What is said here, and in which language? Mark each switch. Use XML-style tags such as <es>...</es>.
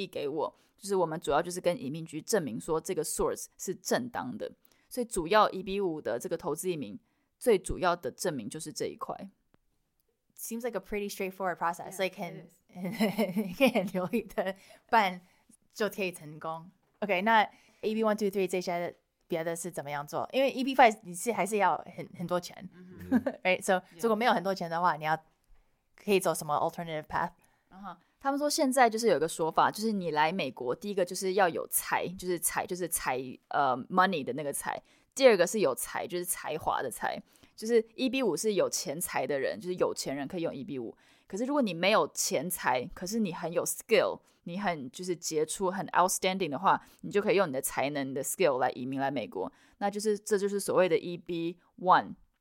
<zh>就是拿这些证明说，哦，我投资的这些钱都是来自于我的公司，或者是我父母赠予给我的，或者是我卖了一个房子，然后这个是我的proceed，或者是我的遗产，就是可能爸爸妈妈留了一块土地给我，就是我们主要就是跟移民局证明说这个 source 是正当的。所以主要 EB5的这个投资移民最主要的证明就是这一块。</zh> <en>Seems like a pretty straightforward process. Yeah, like can</en> <zh>流利的办。就可以成功 OK 那 EB1, 2, 3 这些别的是怎么样做 因为 EB5 你是还是要很多钱 mm-hmm.</zh> <en>Right so yeah.</en> <zh>如果没有很多钱的话 你要可以走什么 alternative path uh-huh. 他们说现在就是有一个说法 就是你来美国 第一个就是要有财 就是财 money的那个财 第二个是有财就是才华的财 就是EB5 是有钱财的人 就是有钱人可以用EB5 可是如果你没有钱财 可是你很有skill 你很就是杰出很 outstanding 的话 你就可以用你的才能 你的skill 来移民来美国 那就是这就是所谓的 EB1</zh>